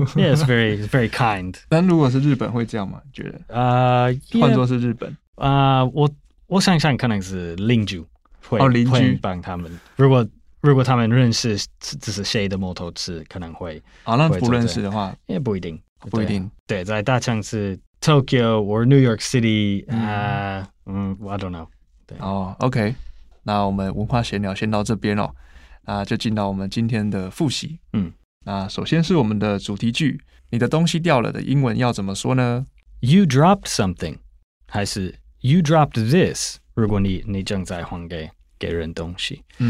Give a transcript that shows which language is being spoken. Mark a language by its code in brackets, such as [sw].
[en] Yeah, it's very, very kind. [zh] 但如果是日本会这样吗？觉得换作是日本，我想想，可能是邻居会邻居帮他们。如果他们认识，只是谁的摩托车，可能会那不认识的话，也不一定，不一定。对，在大城市 [en] Tokyo or New York City, I don't know. [zh] 对， OK。那我们文化闲聊先到这边哦，那就进到我们今天的复习。那首先是我们的主题句，你的东西掉了的英文要怎么说呢？ [en] You dropped something, [zh] 还是 [en] You dropped this, [zh] 如果你正在还给人东西。